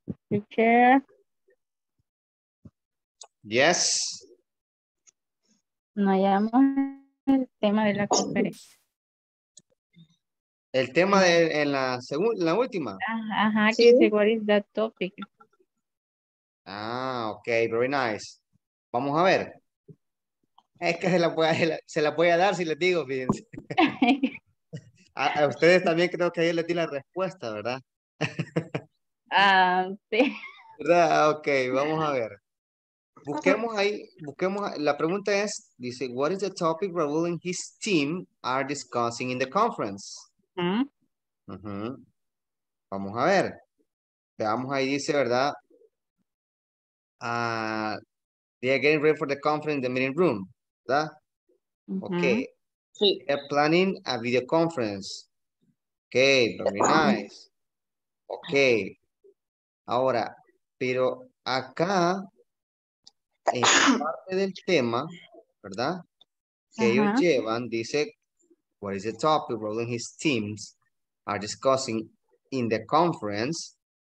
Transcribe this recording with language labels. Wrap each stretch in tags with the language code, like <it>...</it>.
<en>Teacher. Yes.</en> <es>No hallamos el tema de la conferencia. El tema de en la segunda, la última. Ajá, ¿sí? Que dice,</es> <en>what is that topic? Ah, ok, very nice.</en> <es>Vamos a ver. Es que se la voy a dar si les digo, fíjense. a ustedes también creo que ayer les di la respuesta, ¿verdad? Ah, sí. ¿Verdad? Ok, vamos a ver. Busquemos ahí, la pregunta es, dice,</es> <en>what is the topic Raúl and his team are discussing in the conference?</en> <es>Vamos a ver. Veamos ahí, dice, ¿verdad?</es> <en>They are getting ready for the conference in the meeting room, ¿verdad? Uh-huh. Okay.</en> <es>Sí.</es> <en>They are planning a video conference. Okay, very nice. Okay.</en> <es>Ahora, pero acá, en parte del tema, ¿verdad? Que uh-huh. ellos llevan, dice,</es> <en>what is the topic Raúl and his teams are discussing in the conference?</en>